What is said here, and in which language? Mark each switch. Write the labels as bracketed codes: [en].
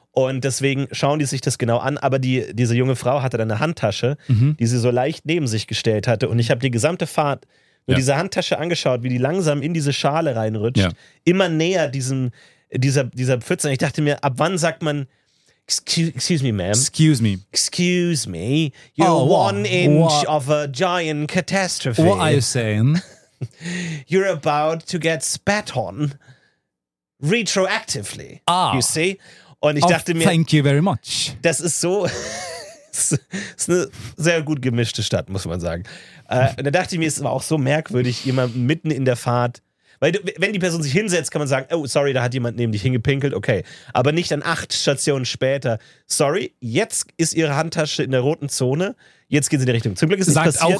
[de] Und deswegen schauen die sich das genau an. Aber diese junge Frau hatte dann eine Handtasche, mhm, die sie so leicht neben sich gestellt hatte. Und ich habe die gesamte Fahrt nur, ja, diese Handtasche angeschaut, wie die langsam in diese Schale reinrutscht. Ja. Immer näher dieser Pfütze. Ich dachte mir, ab wann sagt man, [en] excuse me, ma'am. Excuse me. Excuse me. You're one inch of a giant catastrophe. What are you saying? You're about to get spat on retroactively. Ah. You see? [de] Und ich dachte mir, [en] thank you very much. [de] Das ist so, das ist eine sehr gut gemischte Stadt, muss man sagen. Und da dachte ich mir, es war auch so merkwürdig, jemand mitten in der Fahrt, weil wenn die Person sich hinsetzt, kann man sagen, oh, sorry, da hat jemand neben dich hingepinkelt, okay. Aber nicht dann 8 Stationen später, sorry, jetzt ist ihre Handtasche in der roten Zone, jetzt geht sie in die Richtung. Zum Glück ist es nicht passiert.